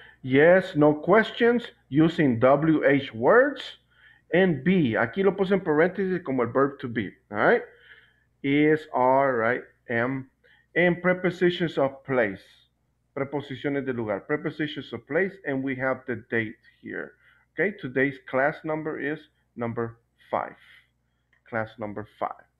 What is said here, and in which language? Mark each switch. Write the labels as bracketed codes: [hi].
[en] Yes, no questions using WH words and be. [es] Aquí lo puse en paréntesis como el verb to be. [en] All right. Is, are, right, am, and prepositions of place. Preposiciones de lugar. Prepositions of place, and we have the date here. Okay. Today's class number is number 5. Class number 5.